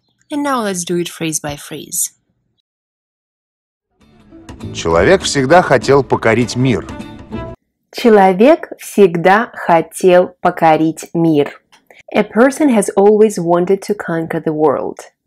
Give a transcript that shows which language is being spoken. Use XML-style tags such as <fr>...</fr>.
<en>And now let's do it phrase by phrase.</en> <ru>Человек всегда хотел покорить мир. Человек всегда хотел покорить мир.</ru> <en>A person has always wanted to conquer the world.</en>